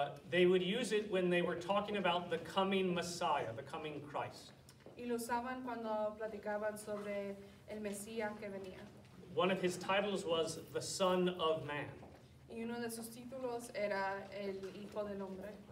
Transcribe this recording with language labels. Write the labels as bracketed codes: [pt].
[en] They would use it when they were talking about the coming Messiah, the coming Christ. [es] Y lo usaban cuando platicaban sobre el Mesías que venía. [en] One of his titles was the Son of Man. [es] Y uno de sus títulos era el Hijo del Hombre.